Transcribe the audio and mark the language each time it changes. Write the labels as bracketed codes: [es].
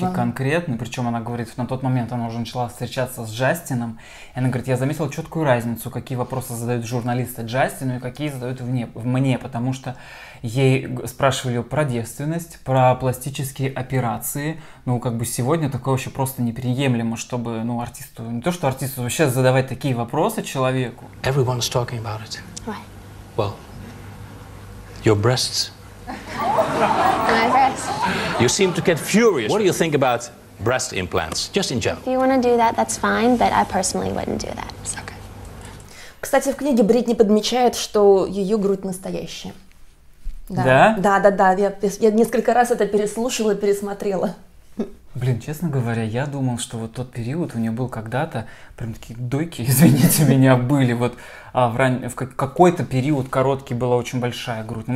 [ru] бочки конкретно, причем она говорит, на тот момент она уже начала встречаться с Джастином, и она говорит, я заметила четкую разницу, какие вопросы задают журналисты Джастину и какие задают мне, потому что ей спрашивали про девственность, про пластические операции, ну, как бы сегодня такое вообще просто неприемлемо, чтобы, ну, артисту, не то что артисту, вообще задавать такие вопросы человеку. [en] Everyone's talking about it. Why? Well, your breasts. My breasts. You seem to get furious. What do you think about breast implants, just in general? If you want to do that, that's fine, but I personally wouldn't do that. Okay. [ru] Кстати, в книге Бритни подмечает, что ее грудь настоящая. Да? Да, да, да. Я несколько раз это переслушала, пересмотрела. Блин, честно говоря, я думал, что вот тот период у нее был когда-то, прям такие дойки, извините меня, были, вот в какой-то период короткий была очень большая грудь.